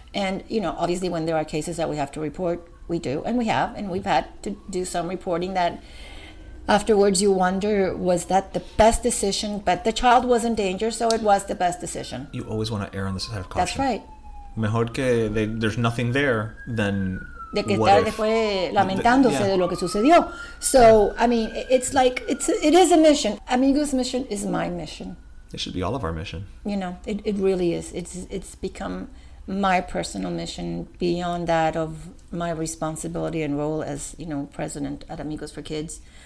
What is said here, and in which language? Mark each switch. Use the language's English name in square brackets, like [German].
[English] And, you know, obviously when there are cases that we have to report, we do, and we have, and we've had to do some reporting that afterwards you wonder, was that the best decision? But the child was in danger, so it was the best decision. You always want to err on the side of caution. That's right. [Spanish] Mejor que [English] there's nothing there than... [Spanish] De que estar después lamentándose de lo que sucedió. [English] So, I mean, it's like, it is a mission. Amigo's mission is my mission. It should be all of our mission. You know, it really is. It's become my personal mission beyond that of my responsibility and role as, you know, president at Amigos for Kids.